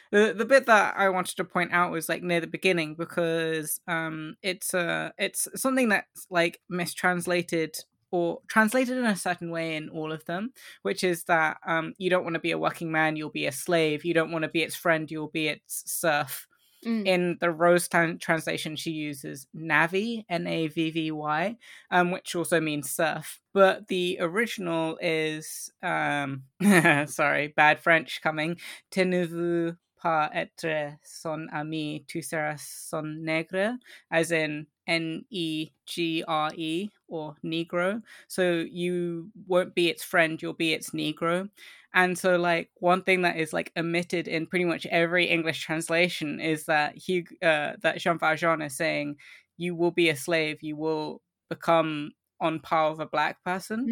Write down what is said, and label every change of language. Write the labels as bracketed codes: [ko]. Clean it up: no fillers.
[en] the bit that I wanted to point out was like near the beginning, because it's something that's like mistranslated or translated in a certain way in all of them, which is that you don't want to be a working man, you'll be a slave. You don't want to be its friend, you'll be its serf. Mm. In the Rose translation, she uses Navi, N-A-V-V-Y, which also means surf. But the original is, sorry, bad French coming. [fr] Te ne veux pas être son ami, tu seras son nègre, [en] as in N-E-G-R-E, or Negro. So you won't be its friend, you'll be its Negro. And so, like, one thing that is, like, omitted in pretty much every English translation is that that Jean Valjean is saying, you will be a slave, you will become on par with a black person.